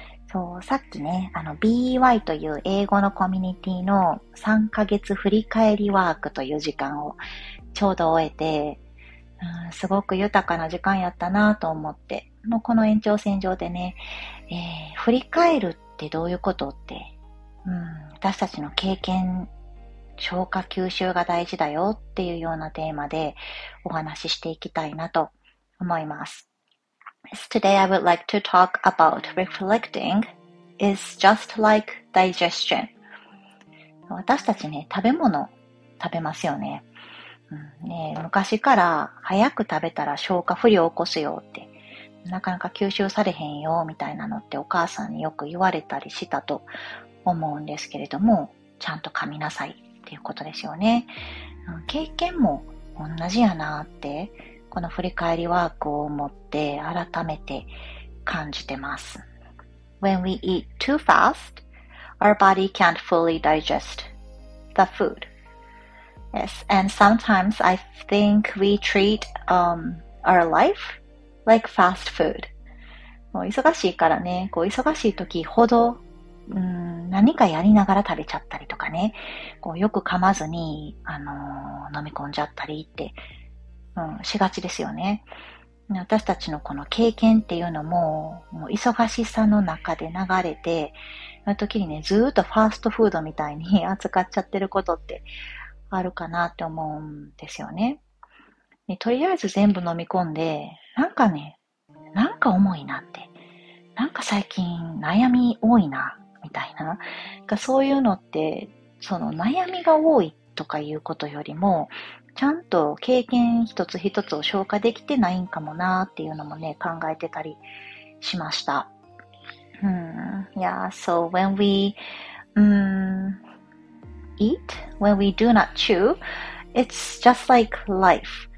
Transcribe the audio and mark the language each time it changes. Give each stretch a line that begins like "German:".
Japanese: そう、さっきね、BY という英語のコミュニティの3ヶ月振り返りワークという時間をちょうど終えて、すごく豊かな時間やったなぁと思って、もうこの延長線上でね、振り返るってどういうことって、私たちの経験、消化吸収が大事だよっていうようなテーマでお話ししていきたいなと思います。
English: Today I would like to talk about reflecting is just like digestion.
Japanese: 私たちね、食べ物食べますよね。昔から早く食べたら消化不良を起こすよって、なかなか吸収されへんよみたいなのってお母さんによく言われたりしたと思うんですけれども、ちゃんと噛みなさい。っていうことですよね。経験も同じやなって、この振り返りワークを持って改めて感じてます。
English: When we eat too fast, our body can't fully digest the food. Yes, and sometimes I think we treat, our life like fast food.
Japanese: もう忙しいからね、こう忙しい時ほど、何かやりながら食べちゃったりとかね、こうよく噛まずに、飲み込んじゃったりって、しがちですよね。私たちのこの経験っていうのも、もう忙しさの中で流れて、の時にね、ずーっとファーストフードみたいに扱っちゃってることってあるかなって思うんですよね。で、とりあえず全部飲み込んで、なんかね、なんか重いなって、なんか最近悩み多いな、みたいな。そういうのって、その悩みが多いとかいうことよりも、ちゃんと経験一つ一つを消化できてないんかもなっていうのもね、考えてたりしました。
English: So when we, eat, when we do not chew, it's just like life.